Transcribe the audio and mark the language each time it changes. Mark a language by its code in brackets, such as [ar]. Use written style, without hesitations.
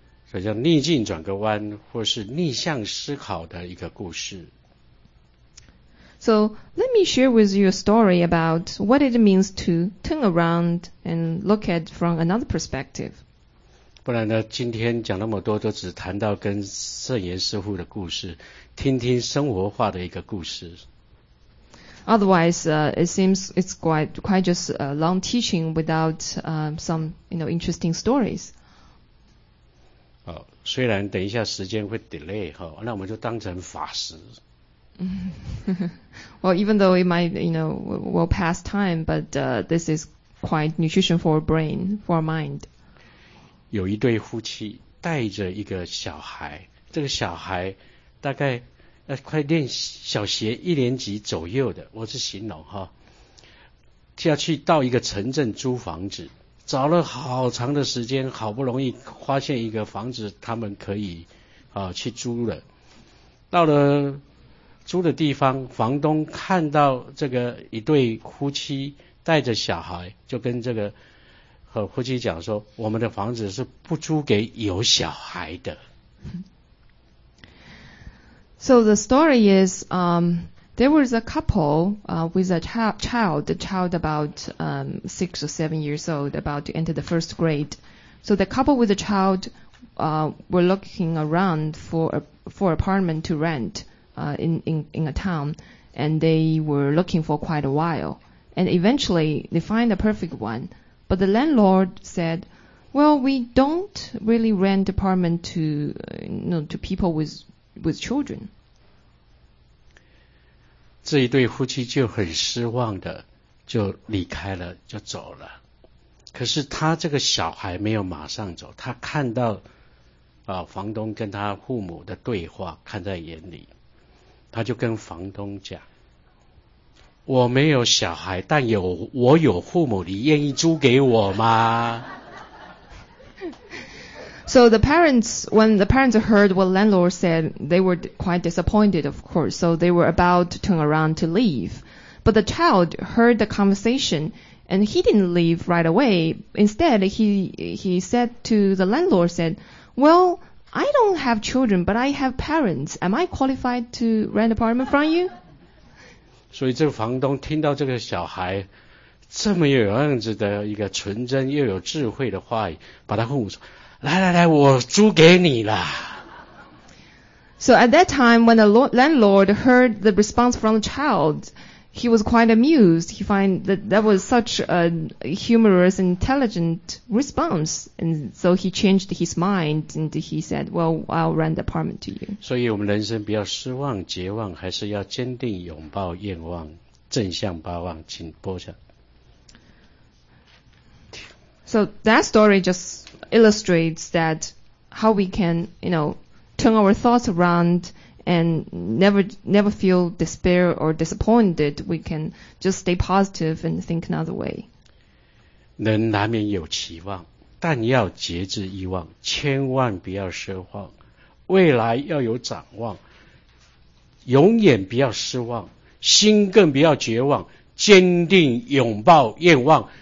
[zh] 所以叫逆境转个弯，或是逆向思考的一个故事。 [en] So let me share with you a story about what it means to turn around and look at from another perspective. [zh] 不然呢，今天讲那么多都只谈到跟圣严师父的故事，听听生活化的一个故事。 [en] Otherwise, it seems it's quite just a long teaching without some you know interesting stories. [zh] 虽然等一下时间会 delay 哈，那我们就当成法时。 [en] Well, even though it might, you know, will pass time, but this is quite nutrition for our brain, for our mind. [zh] 有一对夫妻带着一个小孩，这个小孩大概快练小学一年级左右的，我是形容哈，要去到一个城镇租房子。找了好长的时间，好不容易发现一个房子，他们可以去租了。到了租的地方，房东看到这个一对夫妻带着小孩，就跟这个夫妻讲说，我们的房子是不租给有小孩的。 [en] So the story is, there was a couple with a child, the child about 6 or 7 years old, about to enter the first grade. So the couple with the child were looking around for apartment to rent in a town, and they were looking for quite a while. And eventually, they find a perfect one. But the landlord said, well, we don't really rent apartment to people with children. [zh] 这一对夫妻就很失望的就离开了，就走了。可是他这个小孩没有马上走，他看到房东跟他父母的对话看在眼里，他就跟房东讲，我没有小孩，但有我有父母，你愿意租给我吗？ [en] So the parents, when the parents heard what landlord said, they were quite disappointed, of course. So they were about to turn around to leave. But the child heard the conversation and he didn't leave right away. Instead, he said to the landlord, said, well, I don't have children, but I have parents. Am I qualified to rent an apartment from you? [zh] 所以这个房东听到这个小孩这么有样子的一个纯真又有智慧的话语，把他父母说，来来来，我租给你了。 [en] So at that time, when the landlord heard the response from the child, he was quite amused. He find that that was such a humorous, intelligent response. And so he changed his mind and he said, well, I'll rent the apartment to you. [zh] 所以我们人生不要失望、绝望，还是要坚定拥抱愿望，正向抱望，请播下。 [en] So that story just illustrates that how we can, you know, turn our thoughts around and never feel despair or disappointed. We can just stay positive and think another way. [zh] 人难免有期望，但要节制欲望，千万不要奢望。未来要有展望，永远不要失望，心更不要绝望，坚定拥抱愿望。